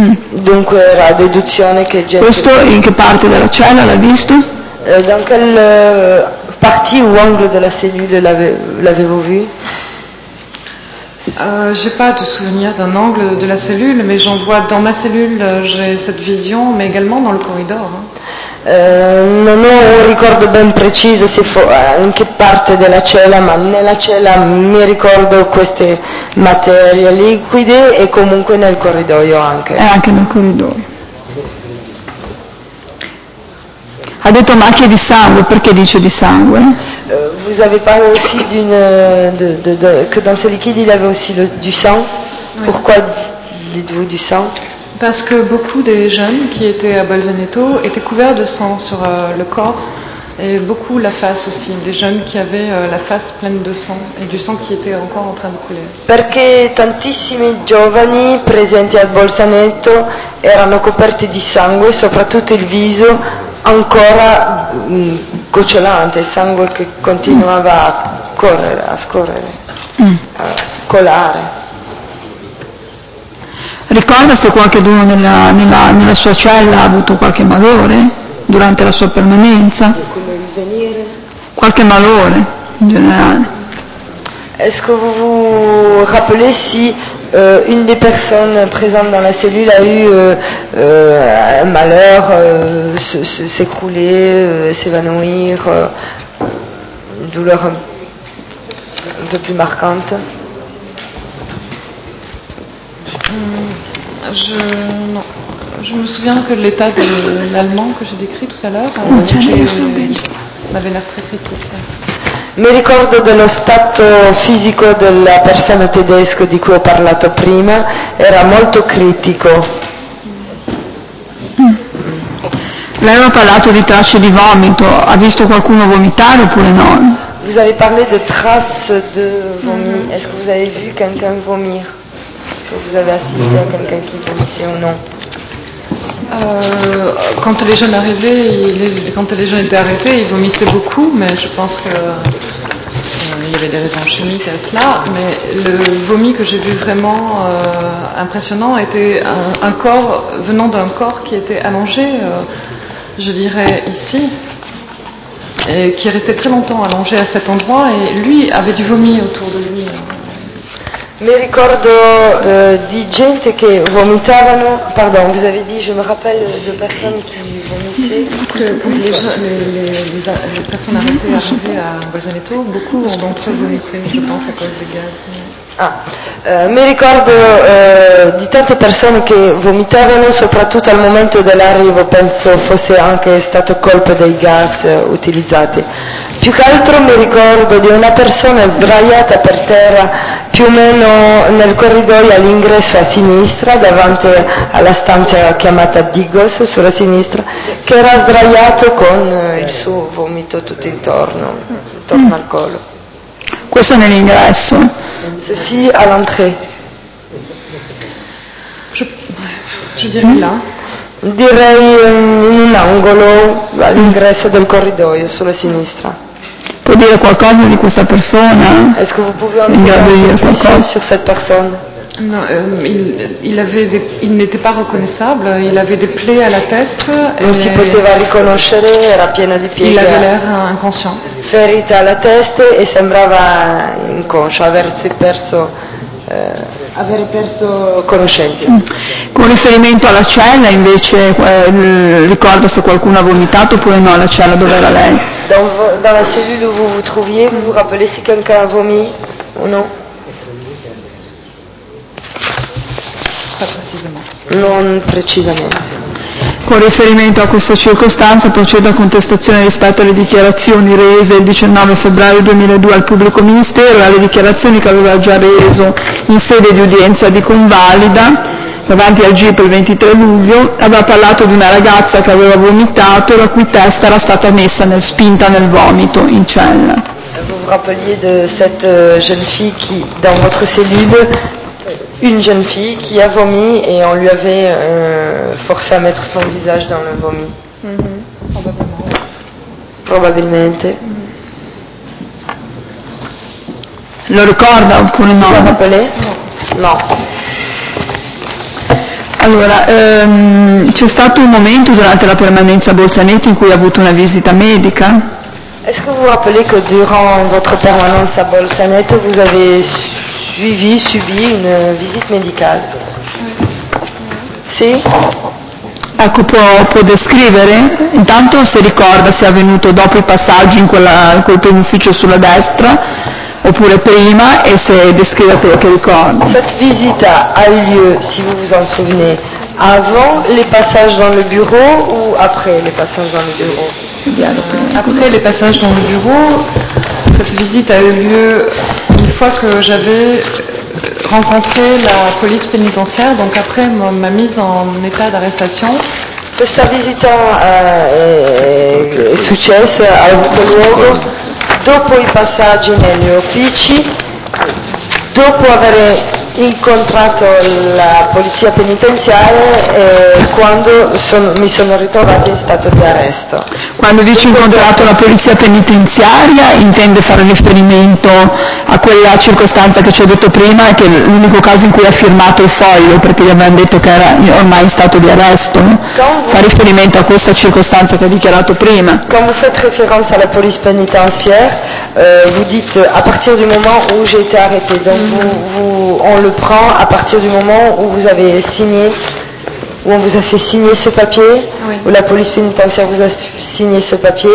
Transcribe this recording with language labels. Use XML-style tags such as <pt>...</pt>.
<it>Dunque era deduzione che gente... Questo in che parte della cella l'ha visto?</it> <fr>Dans quelle partie ou angle de la cellule l'avez-vous vu? J'ai pas de souvenir d'un angle de la cellule, mais j'en vois dans ma cellule, j'ai cette vision, mais également dans le corridor.</fr> <it>Non ho un ricordo ben preciso se in che parte della cella, ma nella cella mi ricordo queste materie liquide e comunque nel corridoio anche. E anche nel corridoio. Ha detto macchie di sangue, perché dice di sangue?</it> <fr>Vous avez parlé aussi d'une de que dans ce liquide il avait aussi du sang. Oui. Pourquoi dites-vous du sang? Parce que beaucoup des jeunes qui étaient à Bolzaneto étaient couverts de sang sur le corps et beaucoup la face aussi, des jeunes qui avaient la face pleine de sang et du sang qui était encore en train de couler.</fr> <it>Perché tantissimi giovani presenti a Bolzaneto erano coperti di sangue, soprattutto il viso ancora gocciolante, sangue che continuava a correre, a scorrere, a colare. Ricorda se qualcuno nella sua cella ha avuto qualche malore durante la sua permanenza? Qualche malore in generale?</it> <fr>Est-ce que vous vous rappelez si une des personnes présentes dans la cellule a eu un malheur, s'écrouler, s'évanouir, une douleur un peu plus marquante? Je me souviens que l'état de l'allemand que j'ai décrit tout à l'heure m'avait l'air très critique.</fr> <it>Mi ricordo dello stato fisico della persona tedesca di cui ho parlato prima, era molto critico. Lei aveva parlato di tracce di vomito, ha visto qualcuno vomitare oppure no?</it> <fr>Vous avez parlé de traces de vomi. Est-ce que vous avez vu quelqu'un vomir? Est-ce que vous avez assisté a quelqu'un qui vomissait ou non? Quand les jeunes arrivaient, quand les jeunes étaient arrêtés, ils vomissaient beaucoup, mais je pense que il y avait des raisons chimiques à cela. Mais le vomi que j'ai vu vraiment impressionnant était un corps venant d'un corps qui était allongé, je dirais ici, et qui restait très longtemps allongé à cet endroit, et lui avait du vomi autour de lui.</fr> <it>Mi ricordo di gente che vomitavano,</it> <fr>pardon, vous avez dit, je me rappelle de personnes qui vomissaient. Les personnes arrêtées arrivées à Bolzaneto, beaucoup ont d'entre eux vomissé, je pense, à cause des gaz.</fr> <it>Mi ricordo di tante persone che vomitavano, soprattutto al momento dell'arrivo, penso fosse anche stato colpo dei gas utilizzati. Più che altro mi ricordo di una persona sdraiata per terra, più o meno nel corridoio all'ingresso a sinistra, davanti alla stanza chiamata Diggles, sulla sinistra, che era sdraiato con il suo vomito tutto intorno al collo. Questo è nell'ingresso?</it> <fr>Ceci à l'entrée. Je dirais là.</fr> <it>Direi in un angolo all'ingresso del corridoio, sulla sinistra. Può dire qualcosa di questa persona?</it> <fr>Est-ce que vous pouvez en dire</fr> <it>qualcosa su questa persona?</it> <fr>No, il n'était pas reconnaissable, il avait des plaies à la tête.</fr> <it>Non si poteva riconoscere, era pieno di piega.</it> <fr>Il avait l'air inconscient.</fr> <it>Ferita alla testa e sembrava inconscio, aversi perso aver perso conoscenza. Con riferimento alla cella, invece, ricorda se qualcuno ha vomitato oppure no, la cella dove era lei? Dalla cellula</it> <fr>dove vous vous trouviez, vous rappelez si quelqu'un a vomi</fr> <it>o no? Non precisamente. Con riferimento a questa circostanza procedo a contestazione rispetto alle dichiarazioni rese il 19 febbraio 2002 al pubblico ministero e alle dichiarazioni che aveva già reso in sede di udienza di convalida davanti al GIP il 23 luglio. Aveva parlato di una ragazza che aveva vomitato e la cui testa era stata messa nel spinta nel vomito in cella.</it> <fr>Vous vous rappeliez de cette jeune fille qui dans votre cellule, une jeune fille qui a vomi et on lui avait forcé à mettre son visage dans le vomi. Mm-hmm. Probablement. Mm-hmm.</fr> <it>Lo ricorda oppure no?</it> <fr>Vous rappelez?</fr> <it>No. Allora, c'è stato un momento durante la permanenza a Bolzaneto in cui ha avuto una visita medica?</it> <fr>Est-ce que vous rappelez que durant votre permanence à Bolzaneto vous avez subi une visite médicale?</fr> <it>Sì? Ecco, può descrivere? Intanto se ricorda se è avvenuto dopo i passaggi in quel primo ufficio sulla destra oppure prima e se descrive quello che ricorda.</it> <fr>Cette visite a eu lieu, si vous vous en souvenez, avant les passages dans le bureau ou après les passages dans le bureau? Après les passages dans le bureau, cette visite a eu lieu une fois que j'avais rencontré la police pénitentiaire, donc après ma mise en état d'arrestation.</fr> <it>Questa visita è successa, ha avuto luogo dopo i passaggi negli uffici, dopo aver incontrato la polizia penitenziaria e quando mi sono ritrovata in stato di arresto. Quando dice dopo incontrato la polizia penitenziaria intende fare riferimento a quella circostanza che ci ho detto prima, che è l'unico caso in cui ha firmato il foglio perché gli avevano detto che era ormai in stato di arresto, fa riferimento a questa circostanza che ha dichiarato prima. Quando fate riferimento alla polizia penitenziaria,</it> <fr>vous dites à partir du moment où j'ai été arrêtée, donc on le prend à partir du moment où vous avez signé, où on vous a fait signer ce papier, oui. Où la police pénitentiaire vous a signé ce papier,</fr>